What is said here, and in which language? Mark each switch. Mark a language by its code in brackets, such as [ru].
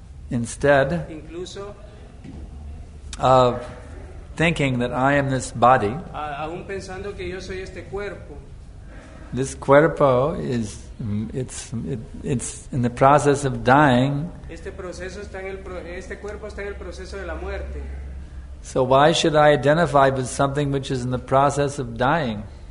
[en] Instead [es] incluso [en] of thinking that I am this body, [es] aún pensando que yo soy este cuerpo, [en] this cuerpo is in the process of dying. [es] Este cuerpo está en el proceso de la muerte. [en] So why should I identify with something which is in the process of dying?